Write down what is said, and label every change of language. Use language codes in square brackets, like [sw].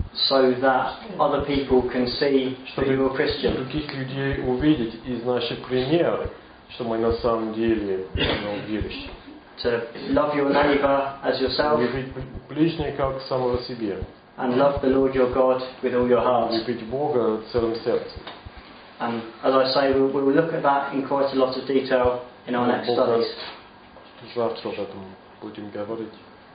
[en] So that other people can see that you're a Christian. [ru] Чтобы других людей увидеть из наших примеров, что мы на самом деле верующие. [en] To love your neighbor as yourself. [ru] Любить ближнего как самого себя. [en] And love the Lord your God with all your heart. [ru] Любить Бога целым сердцем. [en] And as I say, we'll look at that in quite a lot of detail in our next studies. [ru] Завтра об этом будем говорить.